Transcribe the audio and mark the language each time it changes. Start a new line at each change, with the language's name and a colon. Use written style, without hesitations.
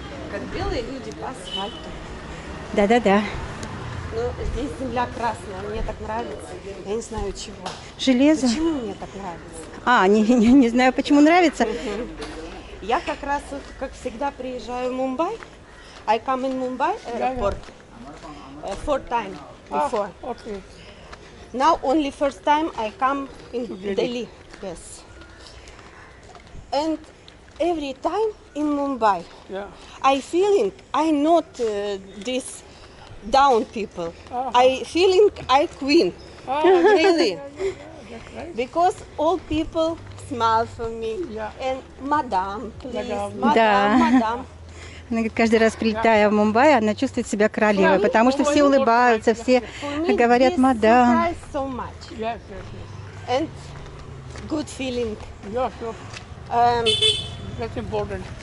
Russian: Как белые люди по асфальту. Да-да-да. Здесь земля красная, мне так нравится. Я не знаю, чего. Железо? Почему мне так нравится? А, не знаю, почему нравится. Я как раз, как всегда, приезжаю в Мумбай.
English: I come in Mumbai airport. Four times before. Okay. Now only first time I come in Delhi. Yes. And every time in Mumbai. Yeah. I feeling, I not this... down people. Uh-huh. I feeling I queen. Uh-huh. Really. Yeah, yeah, yeah. Right. Because all people smile for me. Yeah. And madam, please. Madam.
Russian: Она говорит, каждый раз, прилетая в Мумбай, она чувствует себя королевой, yeah, потому что все улыбаются, все говорят мадам.
English: So much. Yes, yes, yes. And good feeling. Yeah, sure. That's important.